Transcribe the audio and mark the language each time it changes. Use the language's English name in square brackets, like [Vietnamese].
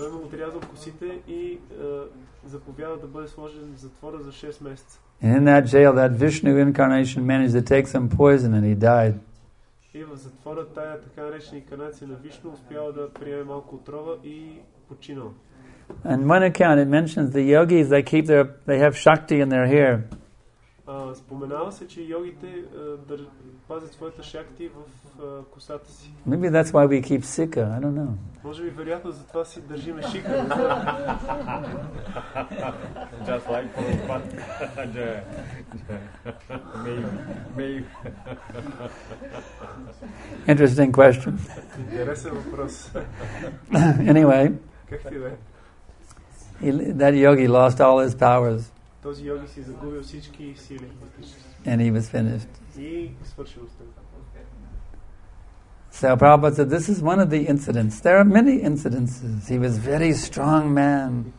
[English] And in that jail, that Vishnu incarnation managed to take some poison and he died. [Bulgarian] Затвора, [English] And one account it mentions the yogis, they keep their, they have shakti in their hair. [Bulgarian] Споменава се, че йогите пазят своята шакти в косата си. [English] Maybe that's why we keep sika. I don't know. [Bulgarian] Може би вероятно за това си държиме шика. [English] Just like for fun. Maybe. Interesting question. [Bulgarian] Интересен въпрос. [English] Anyway. [Bulgarian] Както и да е. [English] That yogi lost all his powers. [Bulgarian] Този йоги си загубил всички сили. [English] And he was finished. [Bulgarian] И свършил сте. [English] So Prabhupada said, this is one of the incidents. There are many incidences. He was a very strong man.